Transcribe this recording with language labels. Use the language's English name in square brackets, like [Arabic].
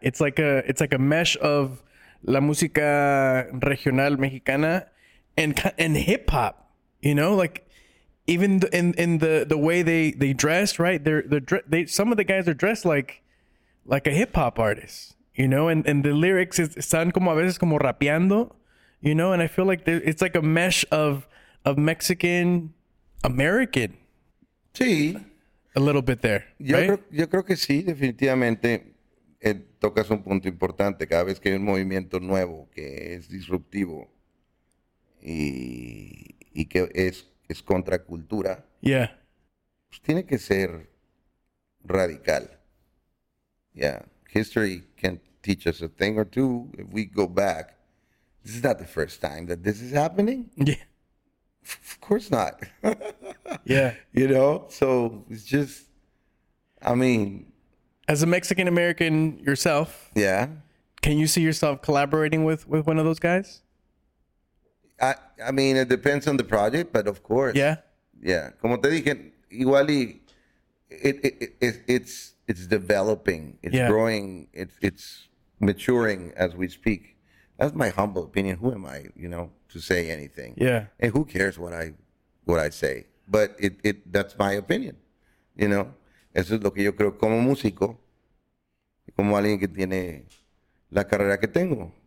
[English] It's like a mesh of [Spanish] la música regional mexicana [English] and hip hop. You know, like. Even in the way they dress, right? They some of the guys are dressed like a hip hop artist, you know. And the lyrics is [Spanish] están como a veces como rapeando, [English] you know. And I feel like it's like a mesh of Mexican American. [Spanish] Sí. [English] A little bit there. [Spanish] Yo creo que sí, definitivamente tocas un punto importante cada vez que hay un movimiento nuevo que es disruptivo y que es contracultura. [English] Yeah. [Spanish] Pues tiene que ser radical. [English] Yeah. History can teach us a thing or two. If we go back, this is not the first time that this is happening. Yeah. Of course not. Yeah. You know? So it's just, I mean. As a Mexican American yourself. Yeah. Can you see yourself collaborating with one of those guys? I mean, it depends on the project, but of course. Yeah. Yeah. [Spanish] Como te dije, igual y [English] it's developing. It's growing. It's maturing as we speak. That's my humble opinion. Who am I, you know, to say anything? Yeah. And who cares what I say? But it that's my opinion, you know? [Spanish] Eso es lo que yo creo como músico, como alguien que tiene la carrera que tengo.